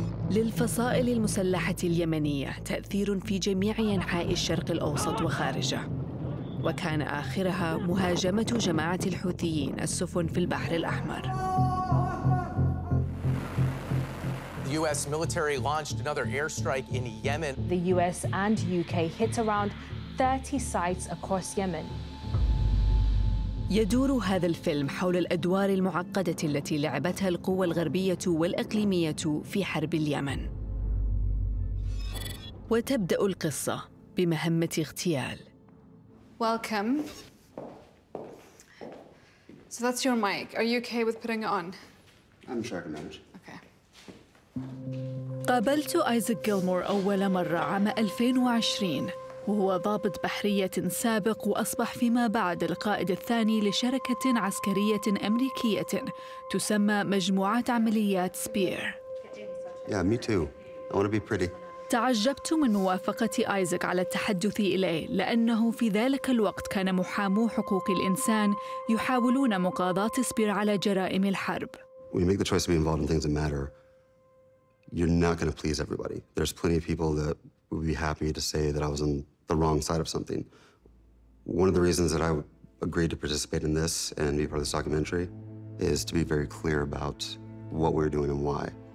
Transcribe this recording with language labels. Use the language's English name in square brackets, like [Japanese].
[Arabic] للفصائل المسلحة اليمنية تأثير في جميع أنحاء الشرق الأوسط وخارجه. وكان آخرها مهاجمة جماعة الحوثيين السفن في البحر الأحمر. [English] The US military launched another airstrike in Yemen. The US and UK hit around 30 sites across Yemen. [Arabic] يدور هذا الفيلم حول الأدوار المعقدة التي لعبتها القوى الغربية والإقليمية في حرب اليمن. وتبدأ القصة بمهمة اغتيال. [English] Welcome. So that's your mic. Are you okay with putting it on? I'm sure I can manage. Okay. [Arabic] قابلت آيزاك جيلمور أول مرة عام 2020. وهو ضابط بحرية سابق وأصبح فيما بعد القائد الثاني لشركة عسكرية أمريكية تسمى مجموعة عمليات سبير. [English] Yeah, me too. I want to be pretty. [Arabic] تعجبت من موافقة آيزاك على التحدث إليه لأنه في ذلك الوقت كان محامو حقوق الإنسان يحاولون مقاضاة سبير على جرائم الحرب. [English] When you make the choice to be involved in things that matter, you're not going to please everybody. There's plenty of people that would be happy to say that I was on the wrong side of something. One of the reasons that I agreed to participate in this and be part of this documentary is to be very clear about what we're doing and why.